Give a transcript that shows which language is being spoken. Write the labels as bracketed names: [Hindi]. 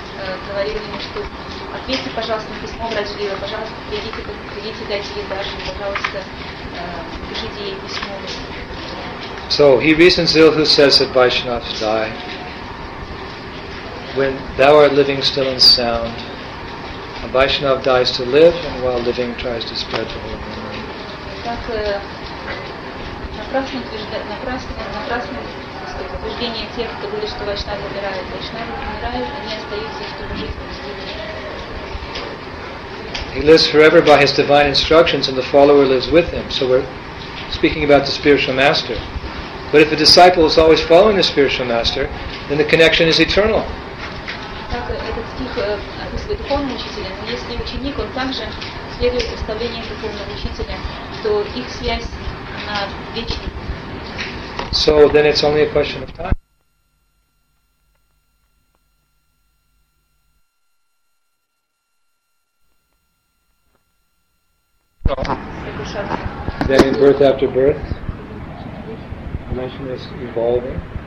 [Russian] Ответьте, пожалуйста, на письмо Браджи Лилы, пожалуйста, придите, придите, дайте ей даже, пожалуйста, пишите ей письмо. [English] So he reasons ill who says that Vaishnavas die. When thou art living still and sound, a Vaishnav dies to live, and while living tries to spread the whole world. [Russian] Так, напрасно утверждение тех, кто говорит, что Вайшнавы умирают. Вайшнавы умирают, они остаются, чтобы жить. [English] He lives forever by his divine instructions and the follower lives with him. So we're speaking about the spiritual master. But if the disciple is always following the spiritual master, then the connection is eternal. [Russian] Так, этот стих описывает духовного учителя. Но если ученик, он также следует представлению духовного учителя, то их связь, она вечна. [English] So then it's only a question of time. Then in birth after birth, connection is evolving.